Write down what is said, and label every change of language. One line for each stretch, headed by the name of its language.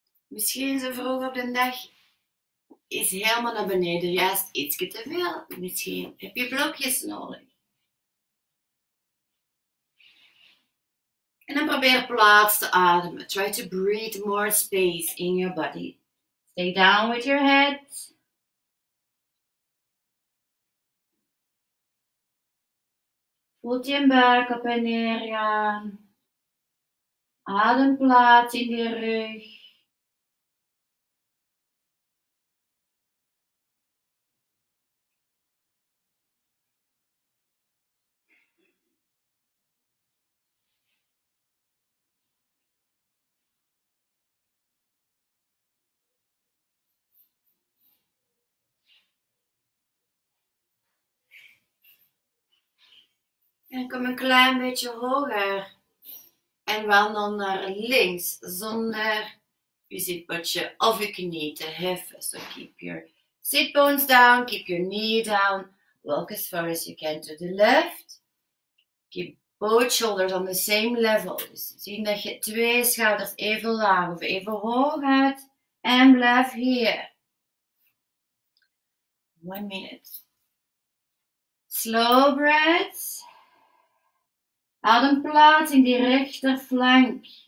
Dutch: Misschien zo vroeg op de dag is helemaal naar beneden juist iets te veel. Misschien heb je blokjes nodig. En dan probeer plaats te ademen.
English: Try to breathe more space in your body. Stay down with your head.
Dutch: Voelt je buik op en neer gaan. Adem plaats in je rug. En kom een klein beetje hoger. En wel dan naar links, zonder je zitbotje of je knie te heffen.
English: So keep your sit bones down, keep your knee down. Walk as far as you can to the left. Keep both shoulders on the same level.
Dutch: Dus zien dat je twee schouders even laag of even hoog hebt. En blijf hier.
English: 1 minute. Slow breaths.
Dutch: Adem plaats in die rechterflank.